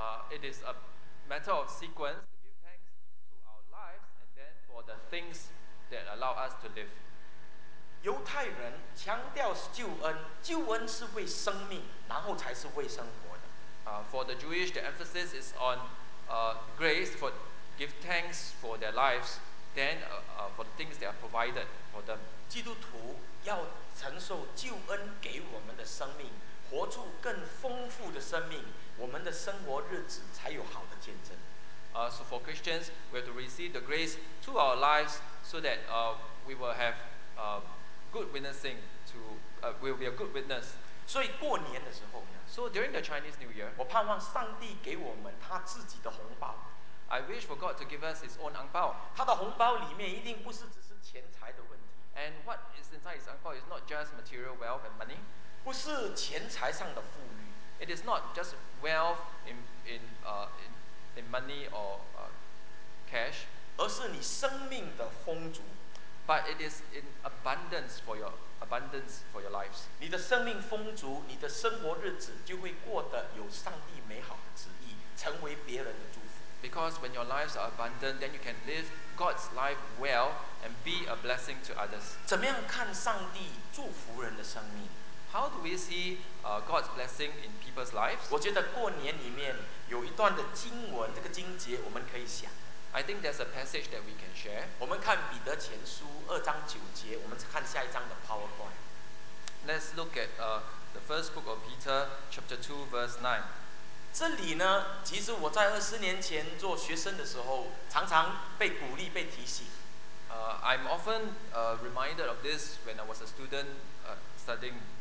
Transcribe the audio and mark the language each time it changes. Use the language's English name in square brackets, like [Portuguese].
[English] It is a matter of sequence to give thanks to our lives and then for the things that allow us to live. [Chinese] 犹太人强调是救恩，救恩是为生命，然后才是为生活的。 [English] For the Jewish, the emphasis is on grace, for give thanks for their lives, then for the things that are provided for them. [Chinese] 基督徒要承受救恩给我们的生命， 活出更丰富的生命，我们的生活日子才有好的见证。 [English] So for Christians, we have to receive the grace to our lives so that we will have good witnessing to we will be a good witness. [Chinese] 所以过年的时候呢, [English] So during the Chinese New Year, [Chinese] 我盼望上帝给我们他自己的红包。 [English] I wish for God to give us his own 红包。 [Chinese] 他的红包里面一定不是只是钱财的问题。 [English] And what is inside his 红包 is not just material wealth and money. [Chinese] 不是钱财上的富裕。 [English] It is not just wealth in money or cash. [Chinese] 而是你生命的丰足。 [English] But it is in abundance for your lives. [Chinese] 你的生命丰足， 你的生活日子就会过得有上帝美好的旨意， 成为别人的祝福。 [English] Because when your lives are abundant, then you can live God's life well and be a blessing to others. [Chinese] 怎么样看上帝祝福人的生命？ [English] How do we see God's blessing in people's lives? [Chinese] 我觉得过年里面有一段的经文， 这个经节我们可以想。 [English] I think there's a passage that we can share. [Chinese] 我们看彼得前书2章9节， 我们看下一章的 PowerPoint. [English] Let's look at the first book of Peter, chapter 2, verse 9. [Chinese] 这里呢， 其实我在20年前做学生的时候， 常常被鼓励， 被提醒。 [English] I'm often reminded of this when I was a student studying.